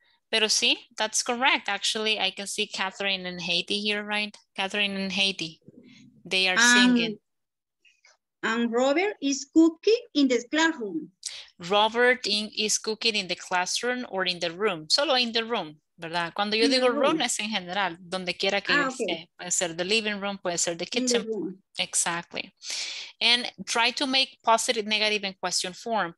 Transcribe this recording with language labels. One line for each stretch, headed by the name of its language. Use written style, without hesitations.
Spanish: Pero sí,
English: that's correct. Actually, I can see Catherine and Heidi here, right? Catherine and Heidi. They are singing. And Robert is cooking in the classroom. Robert is cooking in the classroom or in the room.
Spanish: Solo
English: in the room,
Spanish: ¿verdad? Cuando yo digo room, es en general, donde quiera que esté.
English: Okay.
Spanish: Puede ser
English: the living room, puede ser the kitchen. Exactly. And try to make positive, negative in question form.